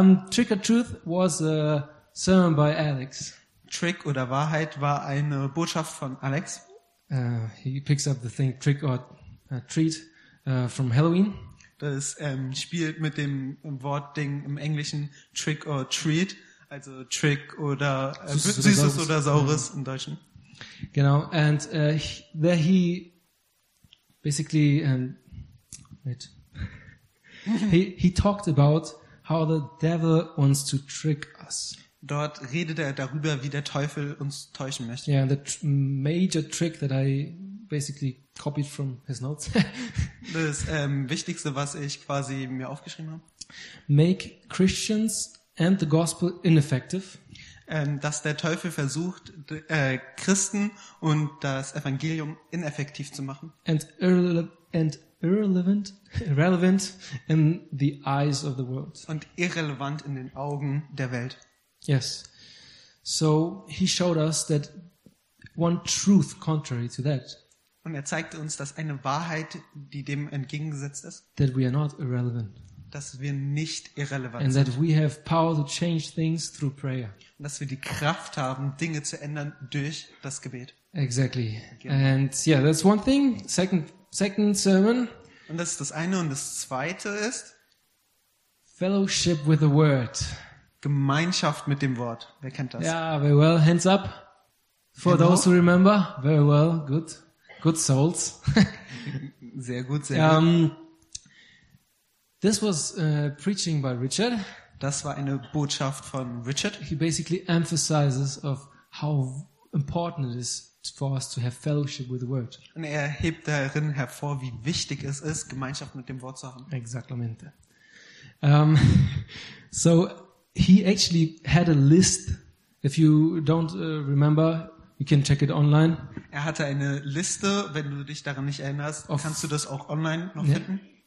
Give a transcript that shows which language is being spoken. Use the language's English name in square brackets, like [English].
[English] Trick or Truth was a sermon by Alex. [German] Trick oder Wahrheit war eine Botschaft von Alex. [English] He picks up the thing Trick or Treat from Halloween. [German] Das spielt mit dem Wort Ding im Englischen Trick or Treat, also Trick oder Süßes oder Saures im Deutschen. [English] Genau, and there he basically he talked about how the devil wants to trick us. [German] Dort redet er darüber, wie der Teufel uns täuschen möchte. [English] Yeah, the major trick that I basically copied from his notes. [German] Das Wichtigste, was ich quasi mir aufgeschrieben habe. [English] Make Christians and the gospel ineffective. [German] Dass der Teufel versucht, Christen und das Evangelium ineffektiv zu machen. [English] And irrelevant in the eyes of the world. [German] Und irrelevant in den Augen der Welt. [English] Yes. So he showed us that one truth contrary to that. [German] Und er zeigte uns, dass eine Wahrheit, die dem entgegengesetzt ist, [English] that we are not irrelevant. [German] Dass wir nicht irrelevant [English] and [German] sind. [English] That we have power to change things through prayer. [German] Und dass wir die Kraft haben, Dinge zu ändern durch das Gebet. [English] Exactly. Okay. And yeah, that's one thing. Second sermon. [German] Und das ist das eine. Und das zweite ist [English] Fellowship with the Word. [German] Gemeinschaft mit dem Wort. Wer kennt das? [English] Yeah, very well. Hands up. For Hello. Those who remember. Very well. Good. Good souls. [German] Sehr gut, sehr gut. [English] This was preaching by Richard. [German] Das war eine Botschaft von Richard. [English] He basically emphasizes of how important it is for us to have fellowship with the Word. [German] Und er hebt darin hervor, wie wichtig es ist, Gemeinschaft mit dem Wort zu haben. [Spanish] Exactamente. [English] So he actually had a list. If you don't remember, you can check it online. [German] Er hatte eine Liste. Wenn du dich daran nicht erinnerst, kannst du das auch online noch finden.